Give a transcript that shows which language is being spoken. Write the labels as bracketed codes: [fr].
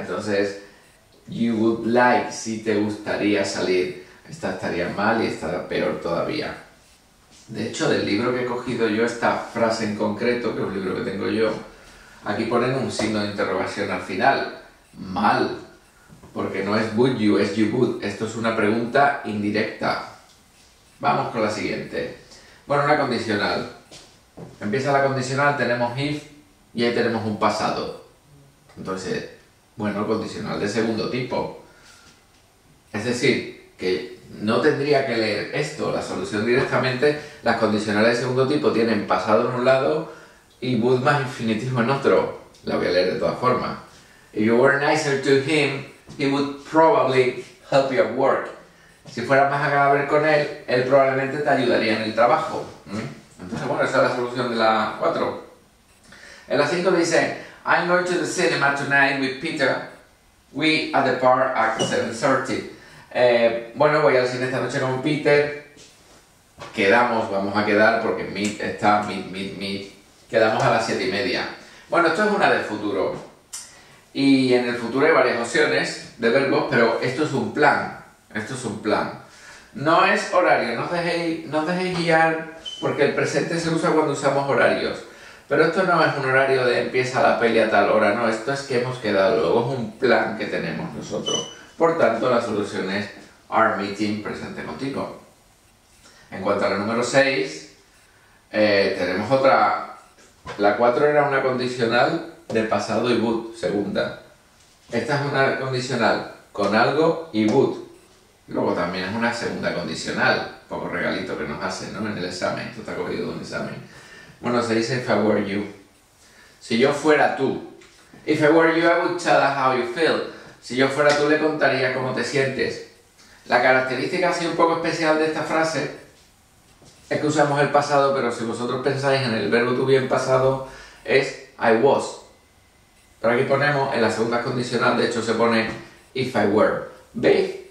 [es] Entonces, [en] you would like, [es] si te gustaría salir. Esta estaría mal y esta peor todavía. De hecho, del libro que he cogido yo, esta frase en concreto, que es un libro que tengo yo, aquí ponen un signo de interrogación al final. Mal. Porque no es [en] would you, [es] es [en] you would. [es] Esto es una pregunta indirecta. Vamos con la siguiente. Bueno, una condicional. Empieza la condicional, tenemos if y ahí tenemos un pasado. Entonces, bueno, condicional de segundo tipo. Es decir, que no tendría que leer esto, la solución directamente, las condicionales de segundo tipo tienen pasado en un lado y would más infinitivo en otro. La voy a leer de todas formas. [en] If you were nicer to him, he would probably help you at work. [es] Si fueras más agradable con él, él probablemente te ayudaría en el trabajo. Entonces, bueno, esa es la solución de la 4. En la 5 dice, [en] I'm going to the cinema tonight with Peter. We at the bar at 7:30. [es] Bueno, voy al cine esta noche con Peter. Quedamos, vamos a quedar porque meet está, meet. Quedamos a las 7:30. Bueno, esto es una del futuro. Y en el futuro hay varias opciones de verbos, pero esto es un plan. Esto es un plan. No es horario, no os dejéis guiar porque el presente se usa cuando usamos horarios. Pero esto no es un horario de empieza la peli a tal hora, no. Esto es que hemos quedado, luego es un plan que tenemos nosotros. Por tanto, la solución es our meeting presente continuo. En cuanto a la número 6, tenemos otra. La 4 era una condicional de pasado y would, segunda. Esta es una condicional con algo y would. Luego también es una segunda condicional. Poco regalito que nos hacen, ¿no? En el examen. Esto está cogido de un examen. Bueno, se dice [en] if I were you. [es] Si yo fuera tú. [en] If I were you, I would tell us how you feel. [es] Si yo fuera tú, le contaría cómo te sientes. La característica así un poco especial de esta frase es que usamos el pasado, pero si vosotros pensáis en el verbo to be en pasado, es [en] I was. [es] Pero aquí ponemos, en la segunda condicional, de hecho se pone [en] if I were. [es] ¿Veis?